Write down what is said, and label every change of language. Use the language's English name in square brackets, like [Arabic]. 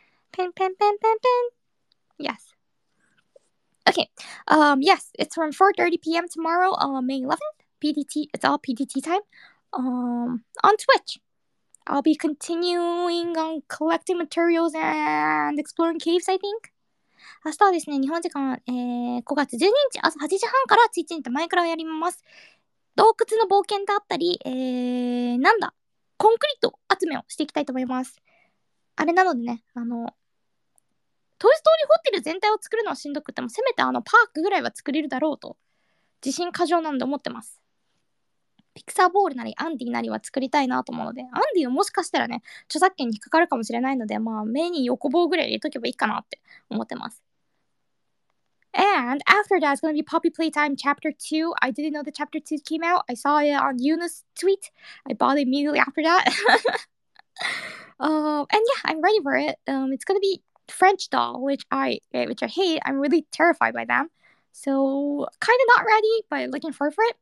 [English] Pin. Yes. Okay. Yes, it's from 4:30 p.m. tomorrow, May 11th. PDT, it's all PDT time. On Twitch. I'll be continuing on collecting materials and exploring caves, I think. [Japanese] 明日はですね、日本時間、5月12日朝8時半から Twitch にてマイクラをやります。洞窟の冒険だったり、なんだ、コンクリート集めをしていきたいと思います。あれなのでね、トイストーリーホテル全体を作るのはしんどくても、せめてパークぐらいは作れるだろうと。自信過剰なんで思ってます。ピクサーボールなりアンディなりは作りたいなと思うので、アンディはもしかしたらね、著作権に引っかかるかもしれないので、まあ目に横棒ぐらい入れとけばいいかなって思ってます。 [English] And after that, it's gonna be Poppy Playtime Chapter 2. I didn't know the Chapter 2 came out. I saw it on Yuna's tweet. I bought it immediately after that. and yeah, I'm ready for it. It's gonna be French Doll, which I hate. I'm really terrified by them. So, kind of not ready, but looking forward for it.